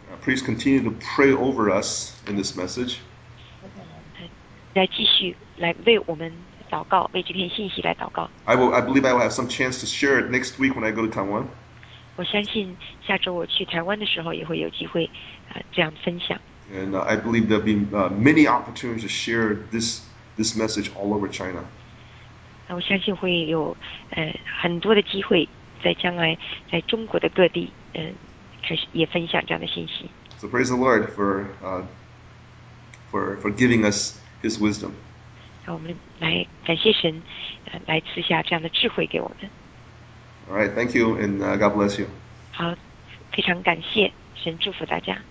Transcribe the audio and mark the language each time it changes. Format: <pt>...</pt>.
<en>Please continue to pray over us in this message。</en> <zh>来继续来为我们。祷告，为这篇信息来祷告。</zh> <en>I believe I will have some chance to share it next week when I go to Taiwan.</en> <zh>我相信下周我去台湾的时候也会有机会这样分享。</zh> <en>And I believe there'll be many opportunities to share this message all over China.</en> <zh>我相信会有很多的机会在将来在中国的各地开始也分享这样的信息。</zh> <en>So praise the Lord for giving us His wisdom.</en> <zh>让我们来感谢神，来赐下这样的智慧给我们。</zh> <en>All right, thank you, and God bless you.</en> <zh>好，非常感谢神，祝福大家。</zh>